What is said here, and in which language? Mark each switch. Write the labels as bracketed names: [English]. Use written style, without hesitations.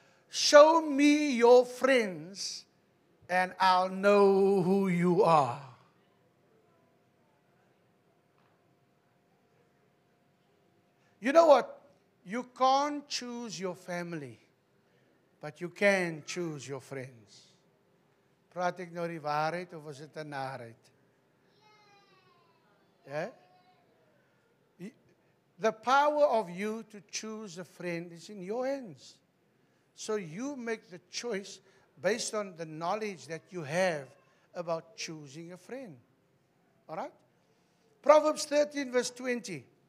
[English] Show me your friends and I'll know who you are. You know what? You can't choose your family, but you can choose your friends. [Afrikaans] Praat ek nou die waarheid of is dit 'n narigheid? [English] Yeah? The power of you to choose a friend is in your hands. So you make the choice based on the knowledge that you have about choosing a friend. All right? Proverbs 13 verse 20.